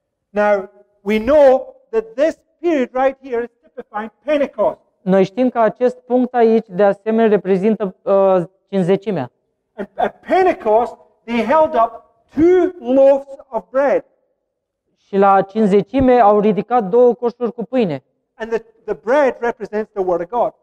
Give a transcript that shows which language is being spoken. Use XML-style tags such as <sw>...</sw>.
<en>Now we know that this period right here is typifying Pentecost.</en> <ro>Noi știm că acest punct aici de asemenea reprezintă cinzecimea.</ro> <en>At Pentecost they held up two loaves of bread.</en> <ro>Și la cinzecime au ridicat două coșuri cu pâine.</ro> <en>And the bread represents the word of God.</en>